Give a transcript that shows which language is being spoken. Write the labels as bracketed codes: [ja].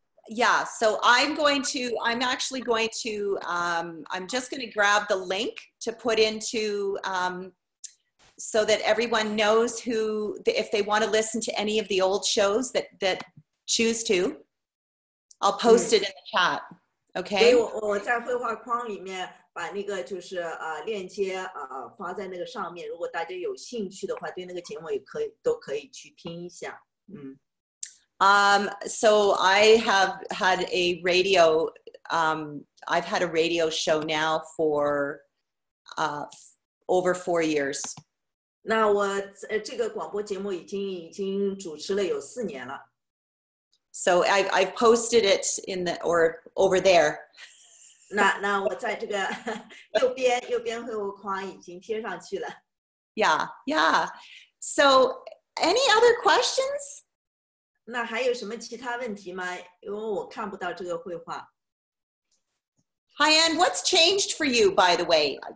[en] Yeah, so I'm actually going to, I'm just going to grab the link to put into, so that everyone knows who, if they want to listen to any of the old shows that choose to, I'll post it in the chat, okay? [zh] 我在绘画框里面把那个就是链接发在那个上面，如果大家有兴趣的话，对那个节目也可以，都可以去听一下， [en] So I have had a radio, I've had a radio show now for over 4 years. [zh] 那我这个广播节目已经主持了有四年了。 [en] So I've posted it in the, or over there. [zh] 那我在这个右边绘画框已经贴上去了。 [en] Yeah. So any other questions? [zh] 那还有什么其他问题吗？因为我看不到这个绘画。 [en] Hi Anne, what's changed for you, by the way?